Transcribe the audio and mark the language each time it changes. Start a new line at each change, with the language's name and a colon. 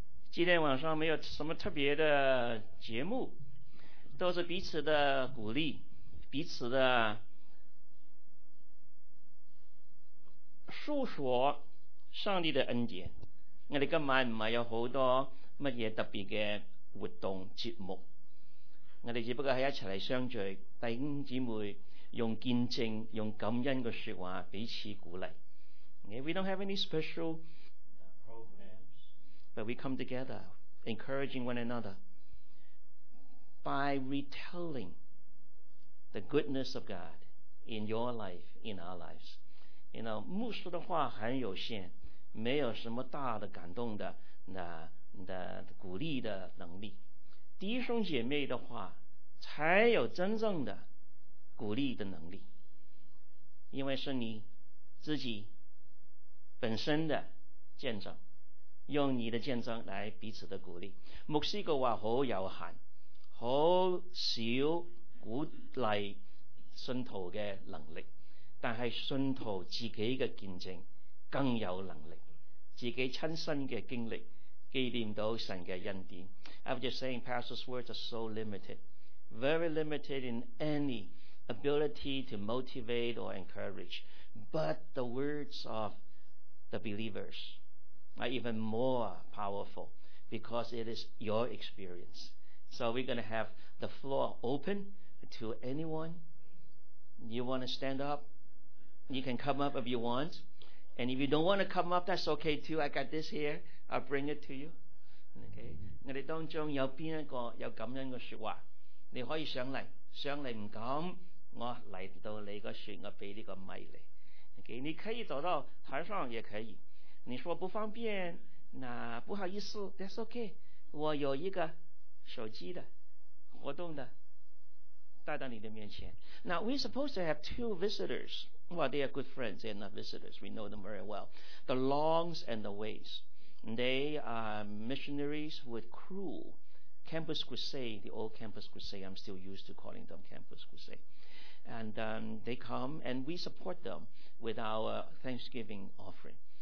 Chinese: 今天晚上没有什么特别的节目，都是彼此的鼓励，彼此的述说上帝的恩典。我们今晚不是有很多什么特别的活动节目，我们只不过是一起来相聚，弟兄姊妹用见证，用感恩的说话彼此鼓励。
English: We don't have any special programs, but we come together encouraging one another by retelling the goodness of God in your life, in our lives. You know,
Chinese: 牧师的话很有限，没有什么大的感动的那鼓励的能力，弟兄姐妹的话才有真正的鼓励的能力，因为是你自己本身的见证，用你的见证来彼此的鼓励。牧师的话很有限，很少鼓励信徒的能力，但是信徒自己的见证更有能力，自己亲身的经历纪念到神的恩典。
English: I was just saying pastor's words are so limited, very limited in any ability to motivate or encourage, but the words of the believers are even more powerful because it is your experience. So we're going to have the floor open to anyone. You want to stand up, you can come up if you want, and if you don't want to come up, that's okay too. I got this here, I'll bring it to you. Okay.
Chinese: 我们当中有哪一个有感恩的说话，你可以上来，上来不敢，我来到你的船，我给你个麦来。 Okay. 你可以走到台上也可以，你说不方便，那不好意思，
English: that's okay.
Chinese: 我有一个手机的活动的带到你的面前。
English: Now we're supposed to have two visitors. Well, they are good friends, they are not visitors, we know them very well. The Longs and the Ways. They are missionaries with CRU, Campus Crusade, the old Campus Crusade. I'm still used to calling them Campus Crusade. And they come and we support them with our Thanksgiving offering.